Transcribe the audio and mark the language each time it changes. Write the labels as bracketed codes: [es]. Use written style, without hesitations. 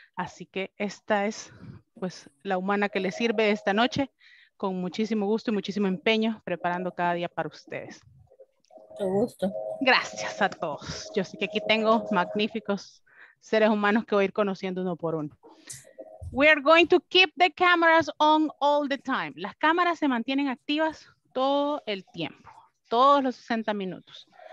[es] Así que esta es pues la humana que les sirve esta noche con muchísimo gusto y muchísimo empeño preparando cada día para ustedes. Mucho gusto. Gracias a todos. Yo sé que aquí tengo magníficos seres humanos que voy a ir conociendo uno por uno. [en] We are going to keep the cameras on all the time. [es] Las cámaras se mantienen activas todo el tiempo, todos los 60 minutos.